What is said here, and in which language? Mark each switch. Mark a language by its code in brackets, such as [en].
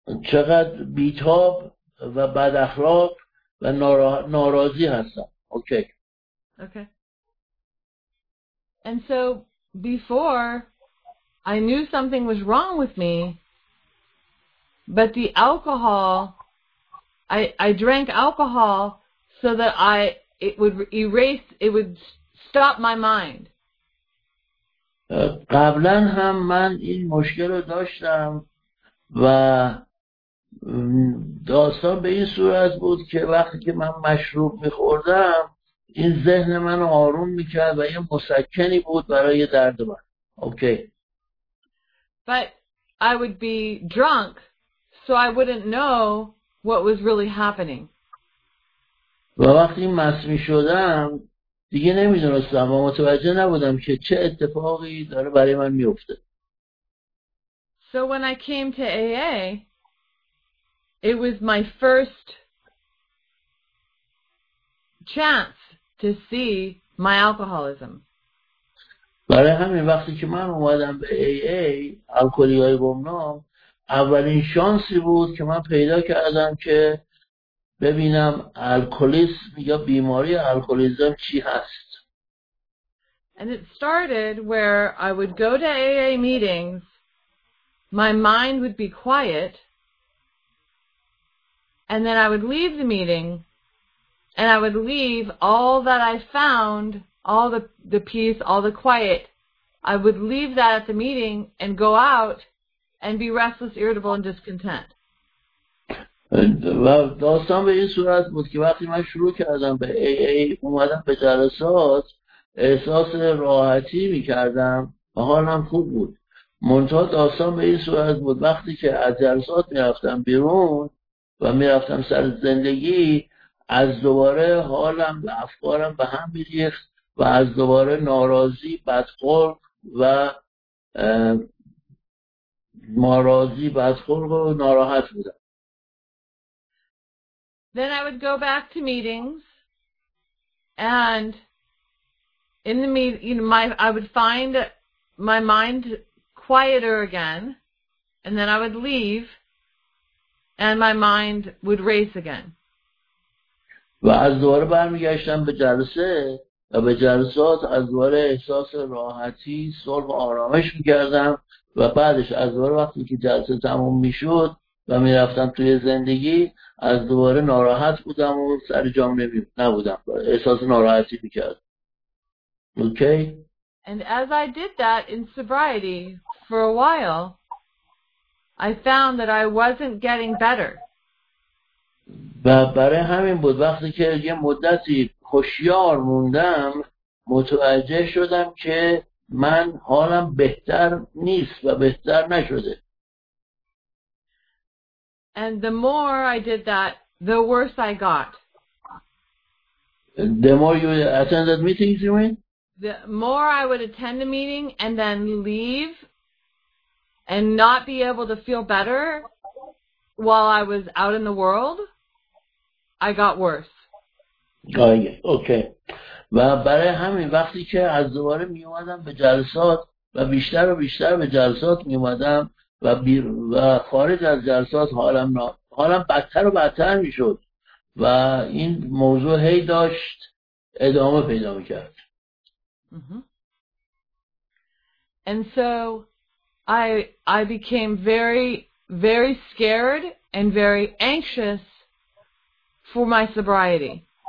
[fa] چقدر بیتاب و بد اخلاق و ناراضی هستم. [en] Okay. Okay. And so before I knew something was wrong with me, but the alcohol, I drank alcohol so that it would stop my mind. [fa] قبلا هم من این مشکل رو داشتم و داستان به این صورت بود که وقتی که من مشروب میخوردم این ذهن من رو آروم میکرد و یه مسکنی بود برای درد من. [en] Okay. But I would be drunk so I wouldn't know what was really happening. [fa] و وقتی مست میشدم دیگه نمیدونستم و متوجه نبودم که چه اتفاقی داره برای من میفته. [en] So when I came to AA, it was my first chance to see my alcoholism. [fa] برای همین وقتی که من اومدم به AA، الکلی‌های گمنام، اولین شانسی بود که من پیدا کردم که ببینم الکلیسم یا بیماری الکلیسم چی هست. [en] And it started where I would go to AA meetings, my mind would be quiet, and then I would leave the meeting, and I would leave all that I found, all the peace, all the quiet, I would leave that at the meeting and go out and be restless, irritable, and discontent. [fa] و داستان به این صورت بود که وقتی من شروع کردم به AA اومدم به جلسات احساس راحتی میکردم و حالم خوب بود. منتها داستان به این صورت بود وقتی که از جلسات میرفتم بیرون و میرفتم سر زندگی از دوباره حالم و افکارم به هم میریخت و از دوباره ناراضی، بدخلق و ناراضی، بدخلق و ناراحت بودم. [en] Then I would go back to meetings, and in the meet, you know, I would find my mind quieter again, and then I would leave, and my mind would race again. [fa] و از دوباره برمیگشتم به جلسه و به جلسات از دوباره احساس راحتی، صلح و آرامش میکردم و بعدش از دوباره وقتی که جلسه تموم میشد و میرفتم توی زندگی از دوباره ناراحت بودم و سر جام نبودم احساس ناراحتی میکرد. [en] Okay. And as I did that in sobriety for a while, I found that I wasn't getting better. [fa] و برای همین بود وقتی که یه مدتی هوشیار موندم متوجه شدم که من حالم بهتر نیست و بهتر نشده. [en] And the more I did that, the worse I got. The more you attended meetings, you mean? The more I would attend a meeting and then leave and not be able to feel better while I was out in the world, I got worse. Okay. [fa] و برای همین وقتی که از دوباره می اومدم به جلسات و بیشتر و بیشتر به جلسات می اومدم و خارج از جلسات حالم بدتر و بدتر می شد و این موضوع هی داشت ادامه پیدا می کرد. [en] And so I became very, very scared and very anxious for my sobriety.